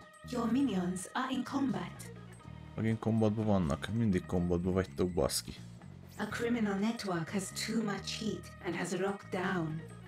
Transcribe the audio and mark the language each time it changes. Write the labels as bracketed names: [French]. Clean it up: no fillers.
[English] Your minions are in combat. [Hungarian] Megint kombatban vannak, mindig kombatban vagytok, baszki. [English] A criminal network has too much heat and has rocked down.